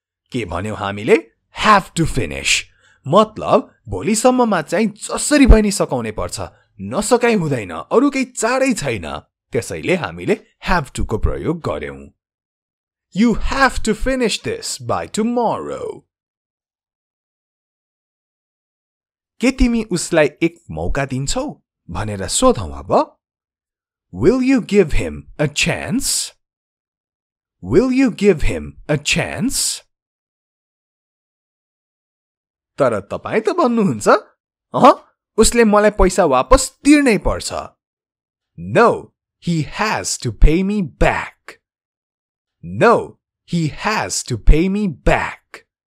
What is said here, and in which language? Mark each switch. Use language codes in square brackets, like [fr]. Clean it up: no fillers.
[ne] के भन्यौ हामीले have to finish. मतलब भोलिसम्ममा चाहिँ जसरी भए नि सकाउनै पर्छ नसकाइ हुँदैन अरू केही चाँडै छैन त्यसैले हामीले have to को प्रयोग गर्यौं [en] You have to finish this by tomorrow. [ne] के तिमी उसलाई एक मौका दिन्छौ भनेर सोधौ अब [en] Will you give him a chance? Will you give him a chance? [ne] तर तपाईँ त भन्नुहुन्छ उसले मलाई पैसा वापस तिर्नै पर्छ [en] No, he has to pay me back. No, he has to pay me back.